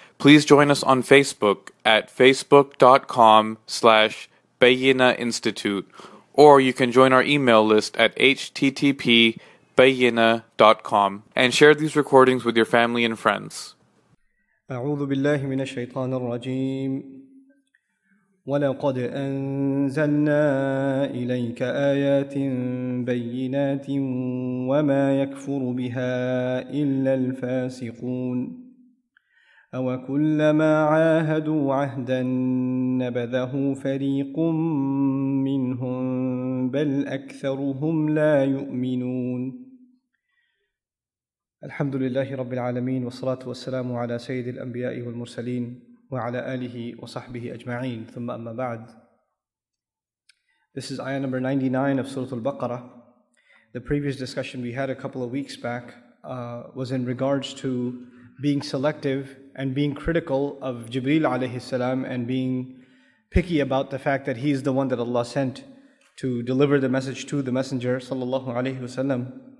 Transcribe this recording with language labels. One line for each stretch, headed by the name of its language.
English: Please join us on Facebook at facebook.com/Bayina Institute, or you can join our email list at http://bayina.com and share these recordings with your family and friends.
Arabic: أعوذ بالله من الشيطان الرجيم ولقد أنزلنا إليك آيات بينات وما يكفر بها إلا الفاسقون أو كلما عاهدوا عهدا نبذه فريق منهم بل أكثرهم لا يؤمنون الحمد لله رب العالمين والصلاة والسلام على سيد الأنبياء والمرسلين وعلى آله وصحبه أجمعين ثم أما بعد.
English: This is ayah number 99 of Surah Baaqarah. The previous discussion we had a couple of weeks back was in regards to being selective and being critical of Jibreel alayhi salam and being picky about the fact that he is the one that Allah sent to deliver the message to the Messenger sallallahu alayhi wasallam.